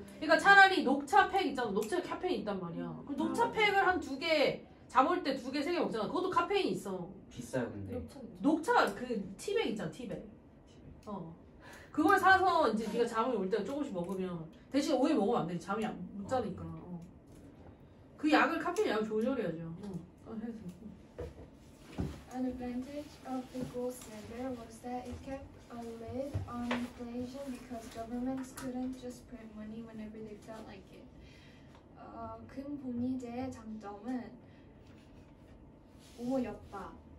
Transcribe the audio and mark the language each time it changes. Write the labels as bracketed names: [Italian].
[Korean] 그러니까 차라리 녹차팩 있잖아. 녹차 카페인 있단 말이야. 그 녹차팩을 한 두 개 잠올 때 두 개 세 개 먹잖아. 그것도 카페인 있어. 비싸요 근데. 녹차 그 티백 있잖아. 티백. 그걸 사서 이제 네가 잠을 올 때 조금씩 먹으면 대신 오해 먹으면 안 돼. 잠이 못 자니까. 그 약을 카페인 약을 조절해야죠. [English] An advantage of the gold standard was that it kept a lid on inflation because governments couldn't just print money whenever they felt like it. [Korean] 금본위제의 장점은 오였다.